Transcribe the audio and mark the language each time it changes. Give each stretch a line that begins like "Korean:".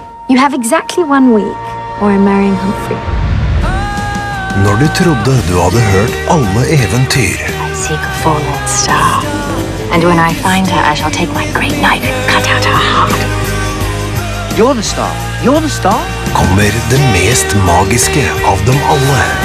English: You have exactly 1 week, or I'm marrying Humphrey.
Norwegian: Når du trodde du hadde hørt alle eventyr.
English: I seek a fallen star. And when I find her, I shall take my great knife and cut out her heart. You're the star. You're the star.
Norwegian: Kommer det mest magiske av dem alle.